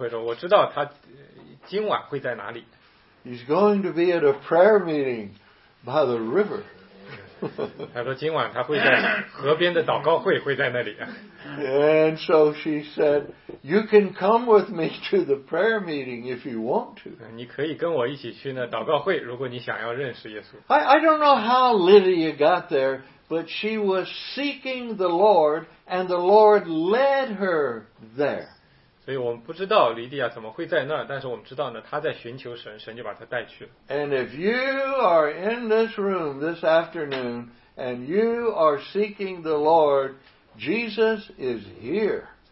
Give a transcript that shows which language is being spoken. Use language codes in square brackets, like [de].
[zh] 所以呢，那个妇人可能会说，我知道他今晚会在哪里。 [en] He's going to be at a prayer meeting by the river. [zh] 他说今晚他会在河边的祷告会，会在那里。 [en] And so she said, you can come with me to the prayer meeting if you want to. [zh] 你可以跟我一起去那祷告会，如果你想要认识耶稣。 [en] I don't know how Lydia got there, but she was seeking the Lord, and the Lord led her there. [zh] 所以我们不知道Lydia怎么会在那儿，但是我们知道呢，她在寻求神，神就把她带去了。 [en] And if you are in this room this afternoon, and you are seeking the Lord, Jesus is here.